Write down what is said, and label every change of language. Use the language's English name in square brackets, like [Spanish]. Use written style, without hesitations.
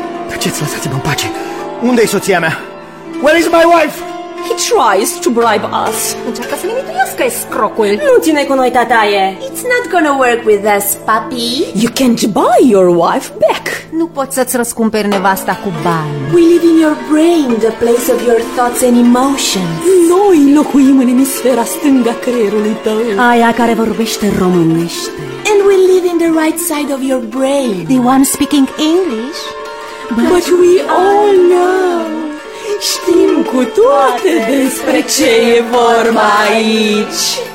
[Romanian] Tăceți, lăsați-mă în pace. Unde-i soția mea? [English] Where is my wife? He tries to bribe us. [Romanian] Încearcă să ne mituiască, scrocul. Nu ține cu noi, tataie. [English] It's not gonna work with us, papi. You can't buy your wife back. [Romanian] Nu poți să-ți răscumperi nevasta cu bani. [English] We live in your brain, the place of your thoughts and emotions. [Romanian] Noi locuim în emisfera stângă a creierului tău. Aia care vorbește românește. [English] And we live in the right side of your brain. The one speaking English. But we all know. [Romanian] Știm cu toate despre ce e vorba aici.